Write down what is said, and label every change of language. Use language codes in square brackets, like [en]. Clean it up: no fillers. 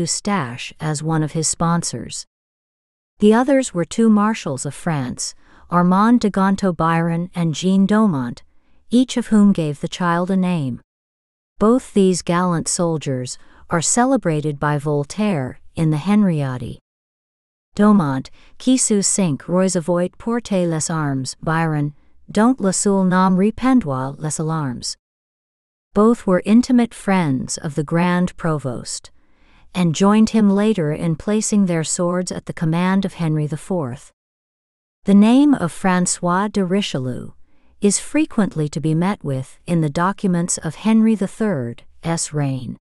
[en] Eustache as one of his sponsors. The others were two marshals of France, Armand de Gonto Byron and Jean Daumont, each of whom gave the child a name. Both these gallant soldiers are celebrated by Voltaire in the Henriade. [fr] Daumont, qui sous cinq rois avoit porté les armes, Byron, dont le seul nom répandoit les alarmes. [en] Both were intimate friends of the Grand Provost, and joined him later in placing their swords at the command of Henry IV. The name of François de Richelieu is frequently to be met with in the documents of Henry III's reign.